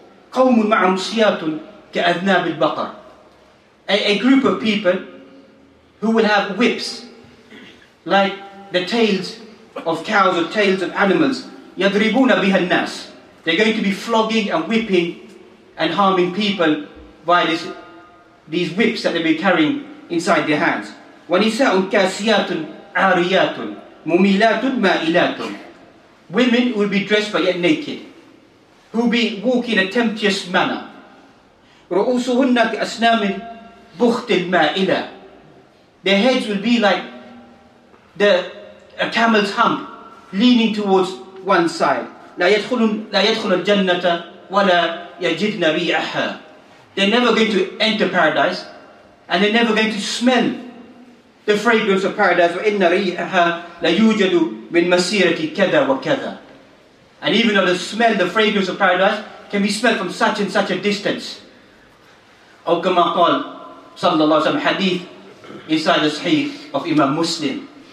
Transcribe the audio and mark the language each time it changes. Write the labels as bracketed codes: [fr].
[ar] Qawmun ma'am siyatun ka'adhnab al-baqar. [en] A group of people who will have whips like the tails of cows or tails of animals. [ar] يَدْرِبُونَ بِهَا النَّاسِ. [en] They're going to be flogging and whipping and harming people by these whips that they'll be carrying inside their hands. [ar] وَنِسَاءٌ كَاسِيَاتٌ عَارِيَاتٌ مُمِيلَاتٌ مَائِلَاتٌ. [en] Women will be dressed but yet naked, who will be walking in a tempestuous manner. [ar] رُؤُوسُهُنَّ كَأَسْنَامٍ بُخْتٍ مَائِلَةٌ. [en] Their heads will be like a camel's hump leaning towards one side. [ar] لا يدخل الجنة ولا يجدن ريحها. [en] They're never going to enter paradise and they're never going to smell the fragrance of paradise. [ar] وإن ريحها ليوجد من مسيرة كذا وكذا. [en] And even though the fragrance of paradise can be smelled from such and such a distance. [ar] أو كما قال صلى الله عليه وسلم حديث [en] inside the Sahih of Imam Muslim.